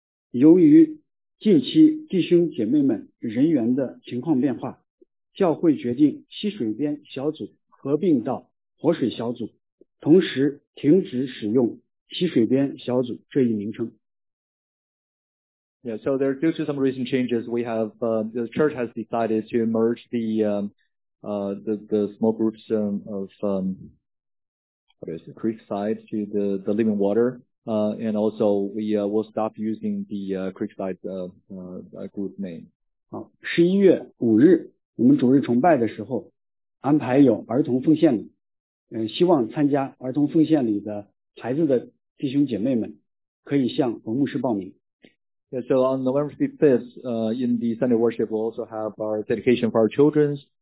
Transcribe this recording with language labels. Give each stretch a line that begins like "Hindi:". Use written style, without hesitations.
Chinese: 由于近期弟兄姐妹们人员的情况变化，教会决定溪水边小组合并到活水小组，同时停止使用溪水边小组这一名称。
English: Yeah, so there due to some recent changes, we have the church has decided to merge the the small groups of creek side to the living water. And also we will stop using the creek side group name.
Chinese: 11月5日我们主日崇拜的时候安排有儿童奉献，希望参加儿童奉献里的孩子的弟兄姐妹们可以向冯牧师报名。
English: Yeah, so on November 5th, in the Sunday worship, we'll also have our dedication for our children.